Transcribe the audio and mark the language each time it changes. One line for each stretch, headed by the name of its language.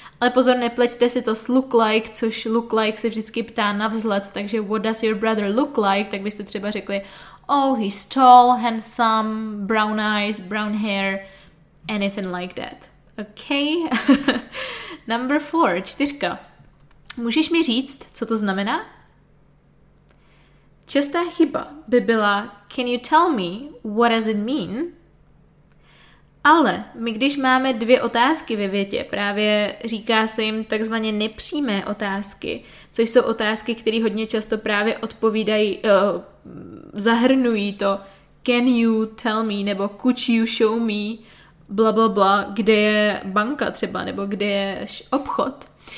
Czech: Ale pozor, nepleťte si to s look like, což look like se vždycky ptá na vzhled, takže
English: what does your brother look like,
Czech: tak byste třeba řekli
English: oh, he's tall, handsome, brown eyes, brown hair, anything like that. Okay? Number four,
Czech: čtyřka. Můžeš mi říct, co to znamená? Šestá chyba by byla
English: Can you tell me what does it mean?
Czech: Ale my když máme dvě otázky ve větě, právě říká se jim takzvaně nepřímé otázky, což jsou otázky, které hodně často právě odpovídají, zahrnují to
English: Can you tell me?
Czech: Nebo
English: could you show me?
Czech: Blablabla, kde je banka třeba, nebo kde je obchod.